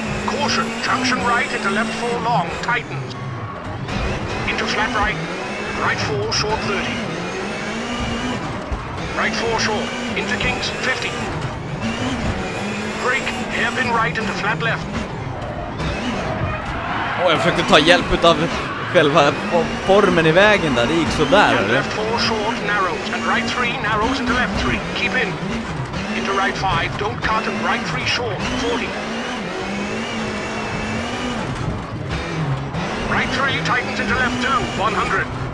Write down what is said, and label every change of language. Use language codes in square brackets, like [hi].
[en] Caution, junction right into left four long, tightened. Into flat right, right four short 30. Right four short, into kinks, 50. Brake, hairpin right into flat left. [sv] Och jag försökte ta hjälp av själva formen i vägen där, det gick så där. [en] Into left four short narrows and right three narrows into left three. Keep in. Into right five, don't cut and right three short, 40. Right three tightens into left two, 100.